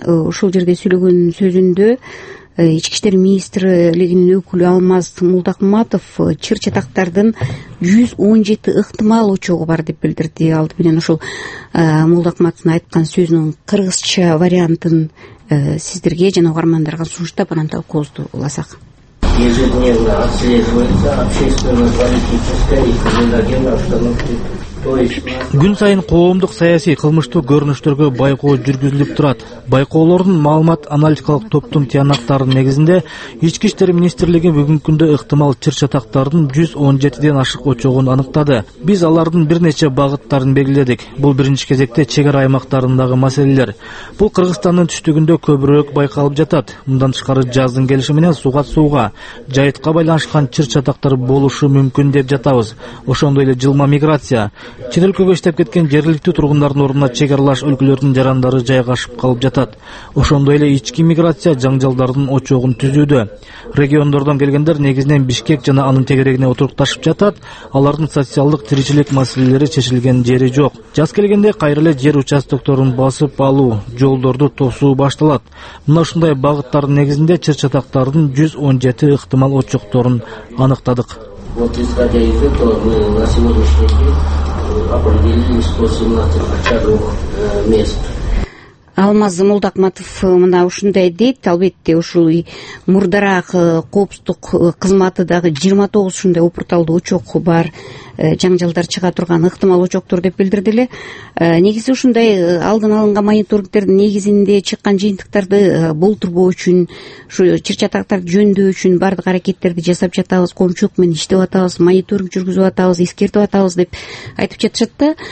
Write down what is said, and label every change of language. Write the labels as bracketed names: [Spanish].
[Kyrgyz] Ушул жерде сүйлөгөн сөзүндө ички иштер министрлигинин өкүлү Алмаз Мулдакматов чыр чатактардын 117 ыктымал очогу бар деп билдирди. Алды менен ушул Мулдакматовдун айткан сөзүнүн кыргызча вариантын сиздерге жана угармандарга сунуштап, анан талкуубузду уласак. [Russian] Ежедневно отслеживается общественная политическая и криминогенная обстановка. [Kyrgyz] Күн сайын коомдук саясий кылмыштуу көрүнүштөргө байкоо жүргүзүлүп турат. Байкоолордун маалымат аналитикалык топтун тыянактарынын негизинде ички иштер министрлиги бүгүнкү күндө ыктымал чыр чатактардын 117 ашык очогун аныктады. Биз алардын бир нече багыттарын белгиледик. Бул биринчи кезекте чек ара аймактарындагы маселелер. Бул Кыргызстандын түштүгүндө көбүрөөк байкалып жатат. Мындан тышкары жаздын келиши менен сууга жайытка байланышкан чыр чатактар болушу мүмкүн деп жатабыз. Ошондой эле жылма миграция чет өлкөгө иштеп кеткен жергиликтүү тургундардын ордуна чек аралаш өлкөлөрдүн жарандары жайгашып калып жатат. Ошондой эле ички миграция жаңжалдардын очогун түзүүдө. Региондордон келгендер негизинен Бишкек жана анын тегерегине отурукташып жатат. Алардын социалдык тиричилик маселелери чечилген жери жок. Жаз келгенде кайра эле жер участокторун басып алуу, жолдорду тосуу башталат. Мына ушундай багыттардын негизинде чыр чатактардын 117 ыктымал очокторун аныктадык. [Russian] Вот исходя из этого мы на сегодняшний день определили 118 очаговых мест. [Kyrgyz] Алмаз Мулдакматов мына ушундай дейт. Албетте, ушул мурдараак коопсуздук кызматы дагы 29 ушундай упурталдуу очок бар, жаңжалдар чыга турган ыктымал очоктор деп билдирди эле. Негизи ушундай алдын алынган мониторингдердин негизинде чыккан жыйынтыктарды болтурбоо үчүн, ушу чыр чатактарды жөндөө үчүн баардык аракеттерди жасап жатабыз, коомчулук менен иштеп атабыз, мониторинг жүргүзүп атабыз, эскертип атабыз деп айтып жатышат да.